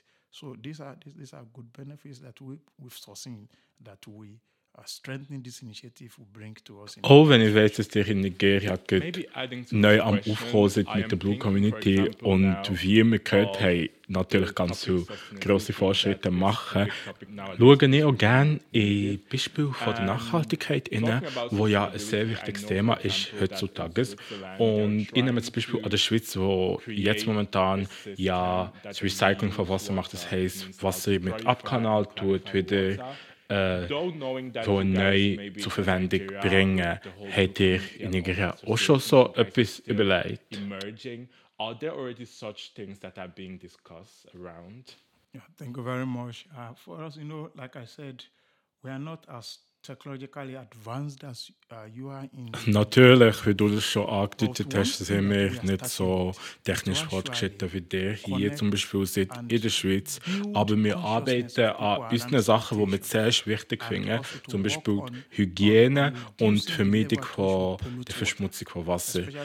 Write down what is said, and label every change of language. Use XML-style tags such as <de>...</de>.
<en>So, these are good benefits that we've foreseen that we strengthening this initiative will bring to us.</en> <de>Auch wenn ich weiß, dass ihr in Nigeria neu am Aufkommen seid mit der Blue Community und wie wir gehört haben, natürlich ganz viele grosse Fortschritte machen, schaue ich auch gerne in Beispiel von der Nachhaltigkeit rein, wo ja ein sehr wichtiges Thema ist heutzutage. Und ich nehme zum Beispiel an der Schweiz, wo jetzt momentan ja das Recycling von Wasser macht, das heisst, Wasser mit Abkanal tut, wieder neu zur Verwendung bringen, hat ihr in Nigeria auch schon so etwas überlegt?</de> <en>Emerging. Are there already such things that are being discussed around? Yeah, thank you very much. For us, you know, like I said, we are not as technologically advanced as you are in.</en> <de>Natürlich, wie du das schon angedeutet hast, sind wir nicht so technisch fortgeschritten wie der hier zum Beispiel seid in der Schweiz. Aber wir arbeiten an unseren Sachen, die wir sehr wichtig finden, zum Beispiel Hygiene und Vermeidung von der Verschmutzung von Wasser.</de>